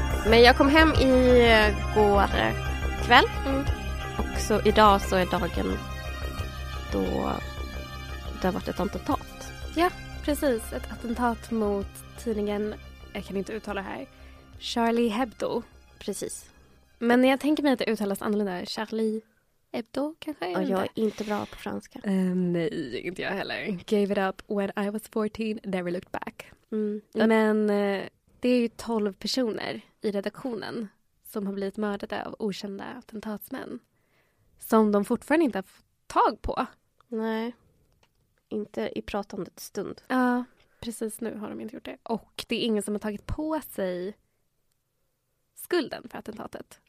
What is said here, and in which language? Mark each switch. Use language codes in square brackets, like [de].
[sv] Men jag kom hem igår kväll. Så idag så är dagen då det har varit ett attentat. Ja, precis. Ett attentat mot tidningen, jag kan inte uttala här, Charlie Hebdo. Precis. Men jag tänker mig att det uttalas annorlunda. Charlie Hebdo kanske? Och jag är inte bra på franska. Nej, inte jag heller. [en] Gave it up when I was 14, never looked back. [sv] Men det är ju 12 personer i redaktionen som har blivit mördade av okända attentatsmän. Som de fortfarande inte har tag på. Nej. Inte i pratandet stund. Ja, precis nu har de inte gjort det. Och det är ingen som har tagit på sig skulden för attentatet.